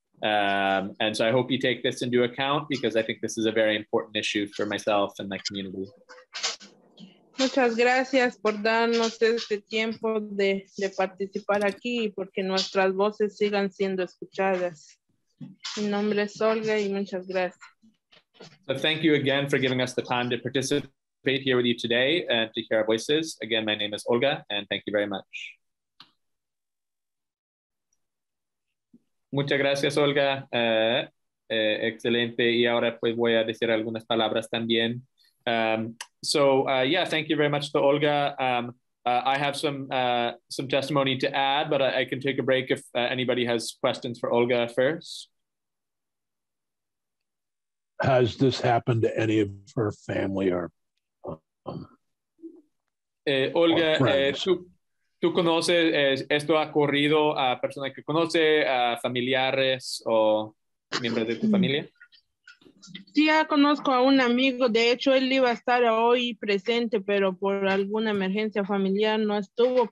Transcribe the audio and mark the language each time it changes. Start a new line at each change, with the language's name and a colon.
English: And so I hope you take this into account, because I think this is a very important issue for myself and my community.
Spanish: Muchas gracias por darnos este tiempo de participar aquí, porque nuestras voces sigan siendo escuchadas. Mi nombre es Olga y muchas gracias.
English: So thank you again for giving us the time to participate here with you today and to hear our voices. Again, my name is Olga, and thank you very much.
Spanish: Muchas gracias, Olga. Excelente. Y ahora pues voy a decir algunas palabras también.
English: So thank you very much to Olga. I have some testimony to add, but I can take a break if anybody has questions for Olga first. Has this happened to any of her family or
Spanish: Olga, ¿tú conoces, esto ha ocurrido a personas que conoce, a familiares o miembros de tu familia? Sí, ya conozco a un amigo. De hecho, él iba a estar hoy presente, pero por alguna emergencia familiar no estuvo.